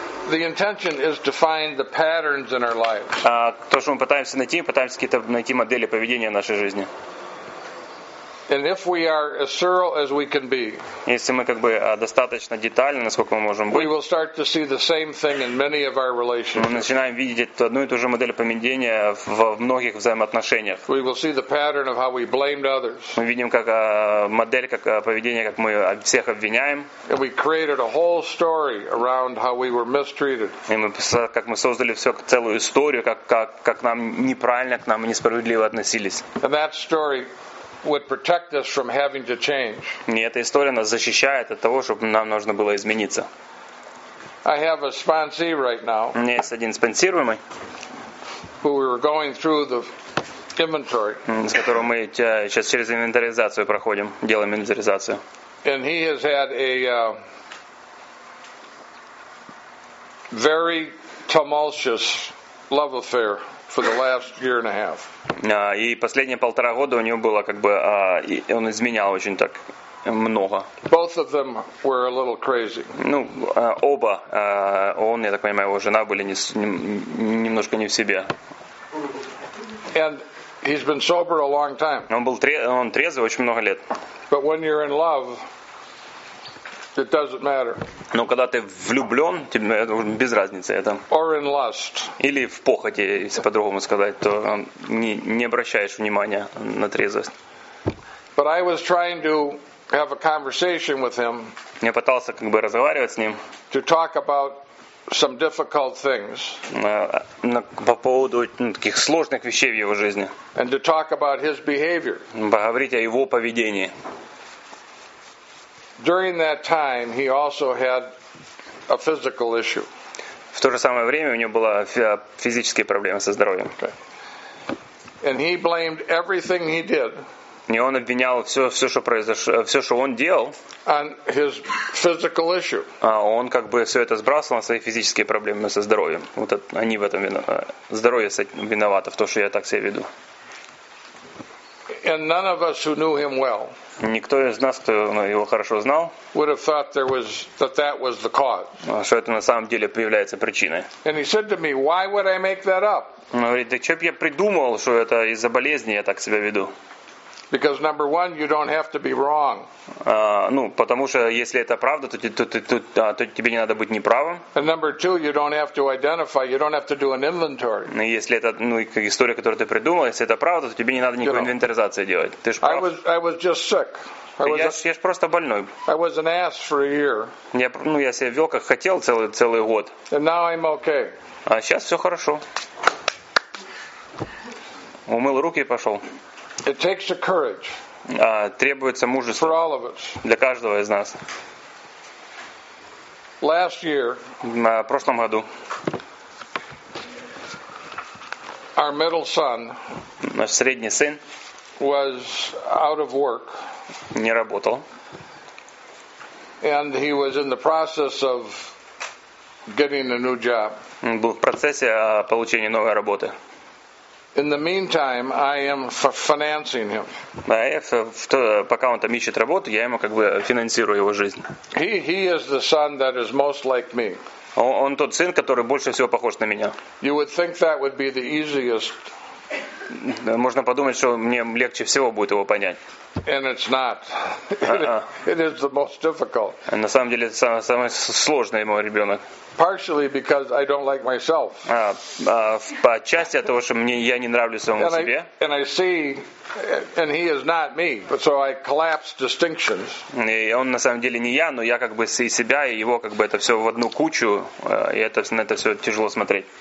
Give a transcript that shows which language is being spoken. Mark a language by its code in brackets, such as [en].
[en] The intention is to find the patterns in our lives. [ru] То, что мы пытаемся какие-то найти модели поведения в нашей жизни. [en] And if we are as thorough as we can be, [ru] если мы как бы достаточно детальны, насколько мы можем быть, [en] we will start to see the same thing in many of our relationships. [ru] Мы начинаем видеть одну и ту же модель поведения в многих взаимоотношениях. [en] We will see the pattern of how we blamed others. [ru] Мы видим как модель как поведения, как мы всех обвиняем. [en] And we created a whole story around how we were mistreated. [ru] И мы как мы создали всю целую историю, как нам неправильно к нам и несправедливо относились. [en] And that story would protect us from having to change. [ru] И эта история нас защищает от того, чтобы нам нужно было измениться. [en] I have a sponsee right now. [ru] У меня есть один спонсируемый. [en] Who we were going through the inventory. [ru] С которым мы сейчас через инвентаризацию проходим, делаем инвентаризацию. [en] And he has had a very tumultuous love affair for the last year and a half. [ru] И последние полтора года у него было как бы он изменял очень так много. [en] Both of them were a little crazy. [ru] Ну, оба, он, я так понимаю, его жена были немножко не в себе. [en] And he's been sober a long time. [ru] Он трезвый очень много лет. [en] But when you're in love, it doesn't matter. [ru] Но когда ты влюблен, тебе без разницы это. [en] Or in lust. [ru] Или в похоти, если по-другому сказать, то не обращаешь внимания на трезвость. [en] But I was trying to have a conversation with him. [ru] Я пытался как бы разговаривать с ним. [en] To talk about some difficult things. [ru] По поводу таких сложных вещей в его жизни. [en] And to talk about his behavior. [ru] Поговорить о его поведении. [en] During that time, he also had a physical issue. [ru] В то же самое время у него была физические проблемы со здоровьем. [en] Okay. And he blamed everything he did. [ru] И он обвинял все, что произошло, все, что он делал. [en] On his physical issue. [ru] А он как бы все это сбрасывал на свои физические проблемы со здоровьем. Вот они в этом виноваты. Здоровье виновато в том, что я так себя веду. [en] And none of us who knew him well. [ru] Никто из нас, кто его хорошо знал, [en] would have thought there was that was the cause. [ru] Что это на самом деле появляется причиной. [en] And he said to me, why would I make that up? [ru] Он говорит, да что бы я придумал, что это из-за болезни я так себя веду. [en] Because number one, you don't have to be wrong. [ru] Ну, потому что если это правда, то тебе не надо быть неправым. [en] And number two, you don't have to identify, you don't have to do an inventory. [ru] Ну, если это история, которую ты придумал, если это правда, то тебе не надо никакой инвентаризации делать. Ты ж прав. [en] I was just sick. [ru] Я ж просто больной. [en] I was an ass for a year. [ru] Я себя вел как хотел целый год. [en] And now I'm okay. [ru] А сейчас все хорошо. Умыл руки и пошел. [en] It takes a courage. [ru] Требуется мужество. [en] For all of us. [ru] Для каждого из нас. [en] Last year. [ru] На прошлом году. [en] Our middle son. [ru] Наш средний сын. [en] Was out of work. [ru] Не работал. [en] And he was in the process of getting a new job. [ru] Он был в процессе получения новой работы. [en] In the meantime, I am financing him. [ru] Пока он там ищет работу, я ему как бы финансирую его жизнь. [en] He is the son that is most like me. [ru] Он тот сын, который больше всего похож на меня. [en] You would think that would be the easiest. [ru] Можно подумать, что мне легче всего будет его понять. [en] And it's not. It is the most difficult. [ru] На самом деле, это самый сложный мой ребенок. [en] Partially because I don't like myself. [ru] По части от того, что мне я не нравлюсь самому себе. [en] And I see, and he is not me, so I collapse distinctions. [ru] И он на самом деле не я, но я как бы и себя, и его как бы это все в одну кучу, и это на это все тяжело смотреть.